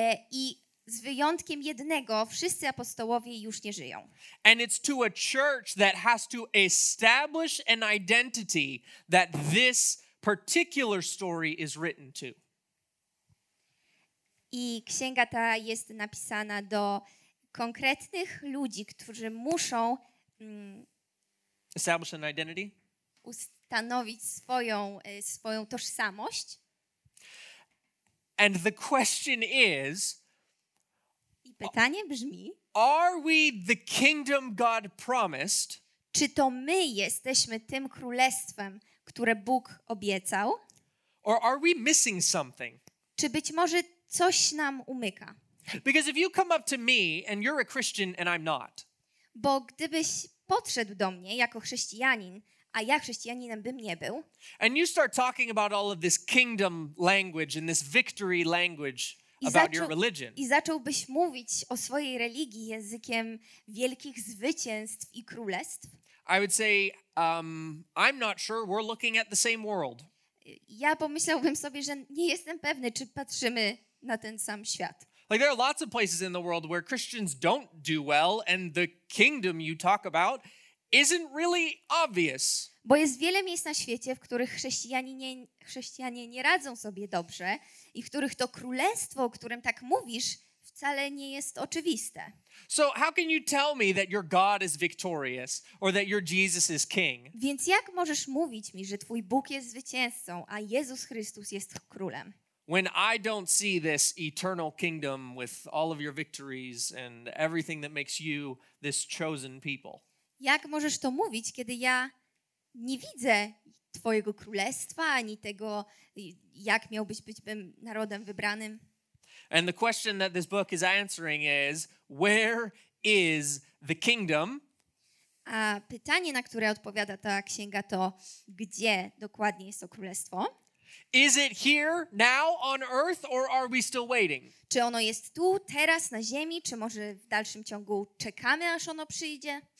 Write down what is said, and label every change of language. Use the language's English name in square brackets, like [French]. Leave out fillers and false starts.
[Polish] I z wyjątkiem jednego, wszyscy apostołowie już nie żyją. [English] And it's to a church that has to establish an identity that this particular story is written to. [Polish] I księga ta jest napisana do konkretnych ludzi, którzy muszą [English] establish an identity. [Polish] Ustanowić swoją tożsamość. [English] And the question is, [Polish] i pytanie brzmi, [English] are we the kingdom God promised? [Polish] Czy to my jesteśmy tym królestwem, które Bóg obiecał? [English] Or are we missing something? [Polish] Czy być może coś nam umyka? [English] Because if you come up to me and you're a Christian and I'm not. [Polish] Bo gdybyś podszedł do mnie jako chrześcijanin, a ja chrześcijaninem bym nie był. [English] And you start talking about all of this kingdom language and this victory language about your religion. [Polish] I zacząłbyś mówić o swojej religii językiem wielkich zwycięstw i królestw. [English] I would say, I'm not sure we're looking at the same world. [Polish] Ja pomyślałbym sobie, że nie jestem pewny, czy patrzymy na ten sam świat. [English] Like there are lots of places in the world where Christians don't do well and the kingdom you talk about isn't really obvious. [Polish] Bo jest wiele miejsc na świecie, w których chrześcijanie nie radzą sobie dobrze i w których to królestwo, o którym tak mówisz, wcale nie jest oczywiste. [English] So how can you tell me that your God is victorious or that your Jesus is king? [Polish] Więc jak możesz mówić mi, że twój Bóg jest zwycięzcą, a Jezus Chrystus jest królem? [English] When I don't see this eternal kingdom with all of your victories and everything that makes you this chosen people. [Polish] Jak możesz to mówić, kiedy ja nie widzę twojego królestwa ani tego, jak miałbyś być narodem wybranym? [English] And the question that this book is answering is, where is the kingdom? [Polish] A pytanie, na które odpowiada ta księga, to gdzie dokładnie jest to królestwo? [English] Is it here now on earth or are we still waiting? [Polish] Czy ono jest tu teraz na ziemi, czy może w dalszym ciągu czekamy, aż ono przyjdzie?